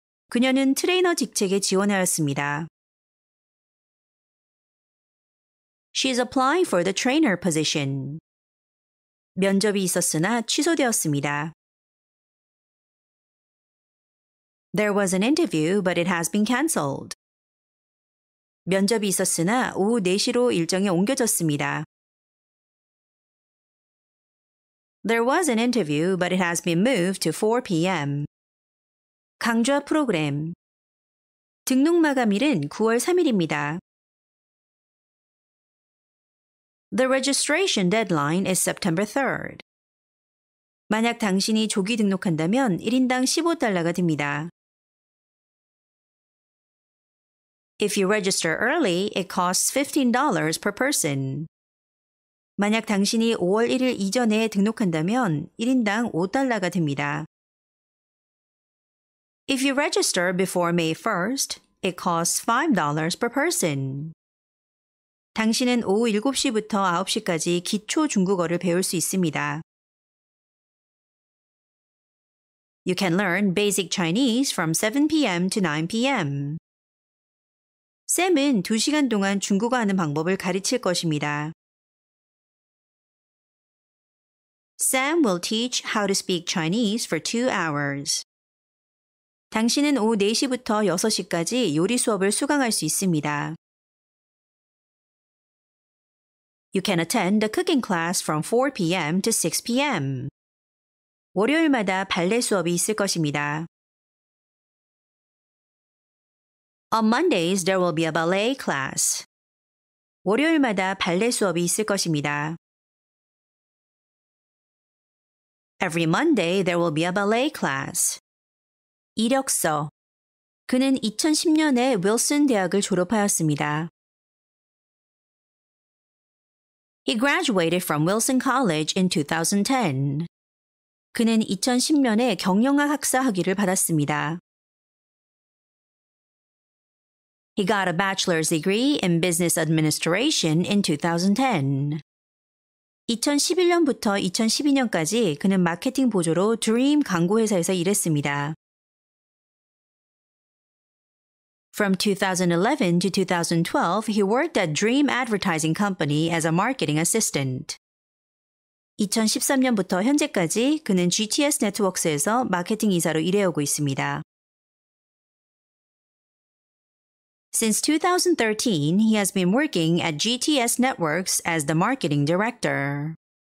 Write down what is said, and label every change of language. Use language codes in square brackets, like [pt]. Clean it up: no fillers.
[ko] 그녀는 트레이너 직책에 지원하였습니다. [en] She is applying for the trainer position. [ko] 면접이 있었으나 취소되었습니다. [en] There was an interview, but it has been cancelled. [ko] 면접이 있었으나 오후 4시로 일정이 옮겨졌습니다. [en] There was an interview, but it has been moved to 4 p.m. [ko] 강좌 프로그램 등록 마감일은 9월 3일입니다. [en] The registration deadline is September 3rd. [ko] 만약 당신이 조기 등록한다면 1인당 $15가 됩니다. [en] If you register early, it costs $15 per person. [ko] 만약 당신이 5월 1일 이전에 등록한다면 1인당 $5가 됩니다. [en] If you register before May 1st, it costs $5 per person. [ko] 당신은 오후 7시부터 9시까지 기초 중국어를 배울 수 있습니다. [en] You can learn basic Chinese from 7 p.m. to 9 p.m. [ko] 쌤은 2시간 동안 중국어 하는 방법을 가르칠 것입니다. [en] Sam will teach how to speak Chinese for 2 hours. [ko] 당신은 오후 4시부터 6시까지 요리 수업을 수강할 수 있습니다. [en] You can attend a cooking class from 4 p.m. to 6 p.m. [ko] 월요일마다 발레 수업이 있을 것입니다. [en] On Mondays, there will be a ballet class. [ko] 월요일마다 발레 수업이 있을 것입니다. [en] Every Monday, there will be a ballet class. [ko] 이력서. 그는 2010년에 윌슨 대학을 졸업하였습니다. [en] He graduated from Wilson College in 2010. [ko] 그는 2010년에 경영학 학사 학위를 받았습니다. [en] He got a bachelor's degree in business administration in 2010. [ko] 2011년부터 2012년까지 그는 마케팅 보조로 Dream 광고 회사에서 일했습니다. [en] From 2011 to 2012, he worked at Dream Advertising Company as a marketing assistant. [ko] 2013년부터 현재까지 그는 GTS 네트워크스에서 마케팅 이사로 일해오고 있습니다. [en] Since 2013, he has been working at GTS Networks as the marketing director.